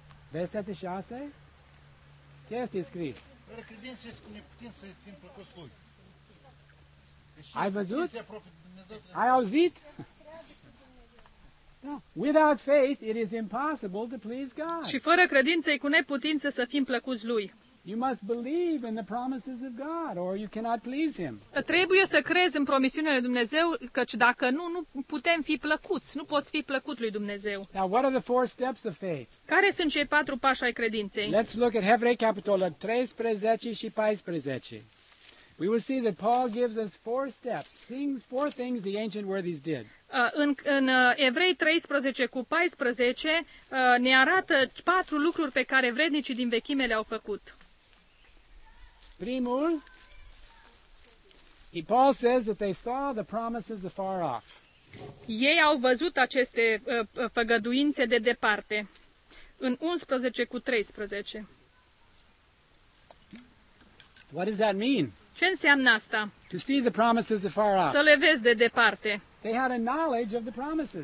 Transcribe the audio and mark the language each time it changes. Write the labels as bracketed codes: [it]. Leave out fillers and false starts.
[ro] Versetul 6. Ce este scris? Fără credință este cum ne putem să fim plăcuți lui. Ai văzut? Ai auzit? [en] No. Without faith, it is impossible to please God. [ro] Și fără credință e cu neputință să fim plăcuți lui. [en] You must believe in the promises of God or you cannot please him. [ro] Trebuie să crezi în promisiunile lui Dumnezeu, căci dacă nu, nu putem fi plăcuți, nu poți fi plăcut lui Dumnezeu. [en] Now, what are the four steps of faith? [ro] Care sunt cei patru pași ai credinței? [en] Let's look at Evrei [ro] capitolul 13 și 14. [en] We will see that Paul gives us four steps, things, four things the ancient worthies did. [ro] Evrei 13 cu 14 ne arată patru lucruri pe care vrednicii din vechime le-au făcut. Primul, [en] Paul says that they saw the promises afar off. [ro] Ei au văzut aceste făgăduințe de departe. În 11 cu 13. [en] What does that mean? [ro] Ce înseamnă asta? [en] To see the promises afar off. [ro] Să le vezi de departe. [en] They had a knowledge of the promises.